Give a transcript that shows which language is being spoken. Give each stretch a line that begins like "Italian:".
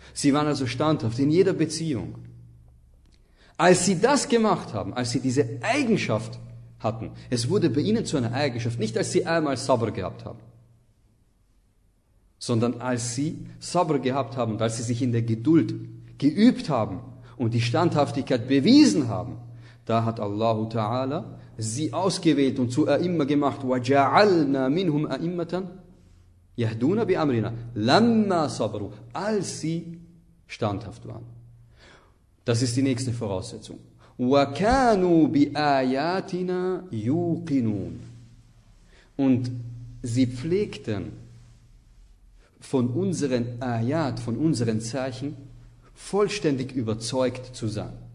German: Sie waren also standhaft in jeder Beziehung. Als sie das gemacht haben, als sie diese Eigenschaft hatten, es wurde bei ihnen zu einer Eigenschaft, nicht als sie einmal Sabr gehabt haben, sondern als sie Sabr gehabt haben und als sie sich in der Geduld geübt haben und die Standhaftigkeit bewiesen haben, da hat Allah Ta'ala sie ausgewählt und zu A'imma gemacht.
Arabic: وَجَعَلْنَا مِنْهُمْ أَئِمَّةً يَهْدُونَ بِأَمْرِنَا لَمَّا صَبَرُوا,
German: als sie standhaft waren. Das ist die nächste Voraussetzung.
Arabic: وَكَانُوا بِآيَاتِنَا يُوقِنُونَ,
German: und sie pflegten von unseren Ayat, von unseren Zeichen, vollständig überzeugt zu sein.